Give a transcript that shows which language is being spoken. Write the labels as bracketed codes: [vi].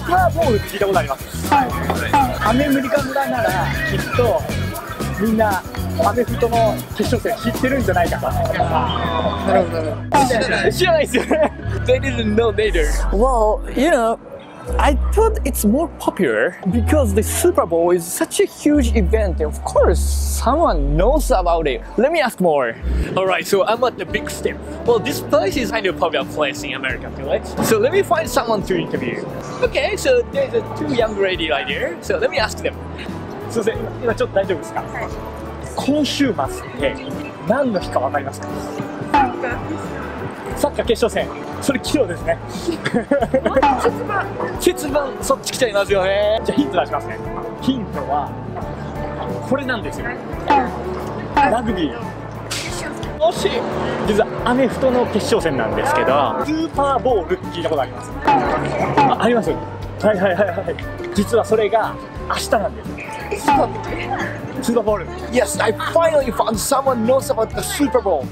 [ja] スーパーボール聞いたことあります。はい。アメムリカ村ならきっとみんなアメフトの決勝戦知ってるんじゃないかな。なるほど。知らないですよね。 [en] They didn't know neither. Well, you know, I thought it's more popular because the Super Bowl is such a huge event. Of course. Someone knows about it. Let me ask more. All right, so I'm at the big step. Well, this place is kind of a popular place in America, right? So let me find someone to interview. Okay, so there's a two young lady right here. So let me ask them. [ja] すいません、今ちょっと大丈夫ですか？はい。今週末って何の日かわかりますか？サッカー決勝戦。それ昨日ですね。節分。節分、そっち来ちゃいますよね。じゃあヒント出しますね。ヒントは、これなんですよ。ラグビー。惜しい。実はアメフトの決勝戦なんですけど、スーパーボール聞いたことあります。あります。はいはいはいはい。実はそれが明日なんです。 [en] SuperBowl? Yes, I finally found someone knows about the SuperBowl.